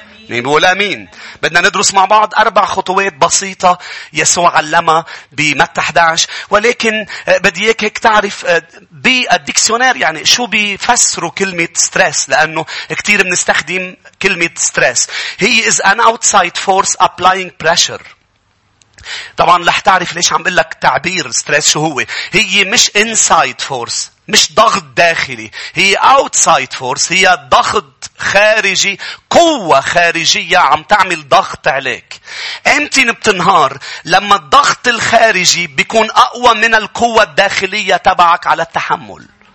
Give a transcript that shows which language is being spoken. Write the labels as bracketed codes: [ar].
[ar] مين بيقول أمين؟ بدنا ندرس مع بعض أربع خطوات بسيطة يسوع علمها بمتى 11. ولكن بدي إياك هيك تعرف بالديكسيونير يعني شو بيفسروا كلمة ستريس، لأنه كتير بنستخدم كلمة ستريس. [en] هي is an outside force applying pressure. [ar] طبعا لح تعرف ليش عم بقولك تعبير ستريس شو هو. هي مش [en] inside force، [ar] مش ضغط داخلي، هي [en] outside force، [ar] هي ضغط خارجي، قوة خارجية عم تعمل ضغط عليك. امتين بتنهار؟ لما الضغط الخارجي بيكون أقوى من القوة الداخلية تبعك على التحمل.